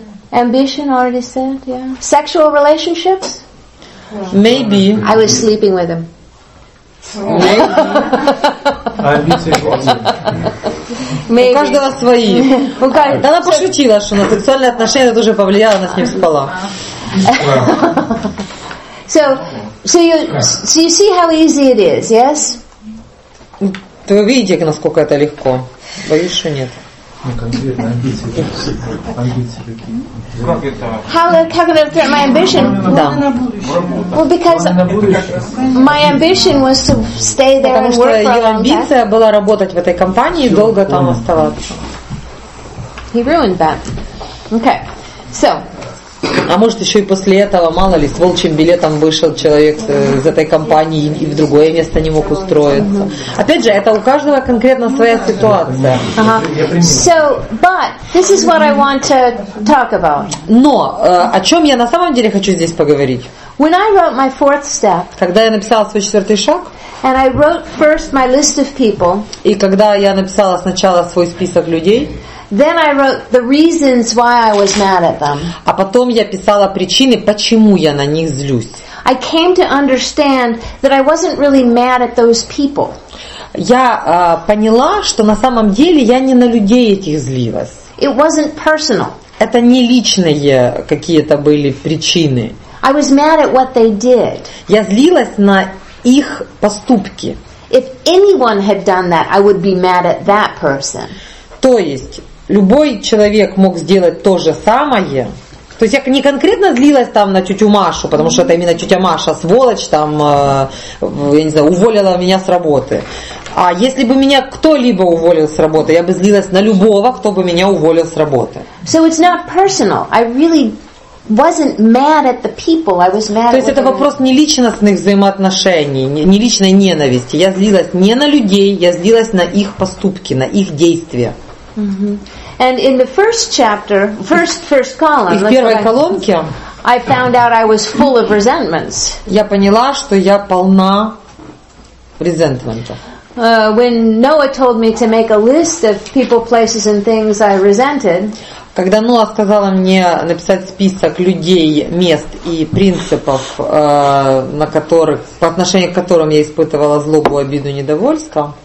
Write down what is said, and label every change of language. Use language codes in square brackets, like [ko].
[en] Ambition already said, yeah. Sexual relationships? Maybe. I was sleeping with him. Maybe. [ru] У каждого свои. Да она пошутила, что на сексуальные отношения тоже повлияло, она с ним спала. [en] So you see how easy it is, yes? [ru] Вы видите, насколько это легко. Боюсь, что нет. [en] How can I threaten my ambition? [ru] Да. [en] Well, because my ambition was to stay there and work for a long time. [ru] Потому что ее амбиция была работать в этой компании и долго там оставаться. [en] He ruined that. Okay. So. [ru] А может еще и после этого, мало ли, с волчьим билетом вышел человек из этой компании и в другое место не мог устроиться. Опять же, это у каждого конкретно своя ситуация. [en] But this is what I want to talk about. [ru] Но о чем я на самом деле хочу здесь поговорить? [en] When I wrote my fourth step, [ru] когда я написала свой четвертый шаг, [en] and I wrote first my list of people, [ru] и когда я написала сначала свой список людей, [en] then I wrote the reasons why I was mad at them. [ru] А потом я писала причины, почему я на них злюсь. [en] I came to understand that I wasn't really mad at those people. [ru] Я поняла, что на самом деле я не на людей этих злилась. [en] It wasn't personal. [ru] Это не личные какие-то были причины. [en] I was mad at what they did. [ru] Я злилась на их поступки. [en] If anyone had done that, I would be mad at that person. [ru] То есть любой человек мог сделать то же самое. То есть я не конкретно злилась там на тетю Машу, потому что это именно тетя Маша, сволочь, там, я не знаю, уволила меня с работы. А если бы меня кто-либо уволил с работы, я бы злилась на любого, кто бы меня уволил с работы. [en] So it's not personal. I really wasn't mad at the people. I was mad. [ru] То есть это вопрос не личностных взаимоотношений, не личной ненависти. Я злилась не на людей, я злилась на их поступки, на их действия. [en] Mm-hmm. And in the first chapter, first column, [ru] и в первой колонке, [en] I found out I was full of resentments. [ru] Я поняла, что я полна резентментов. [en] When Noah told me to make a list of people, places, and things I resented. [ru] Когда Ноа сказала мне написать список людей, мест и принципов, на которых, по отношению к которым я испытывала злобу, обиду, недовольство,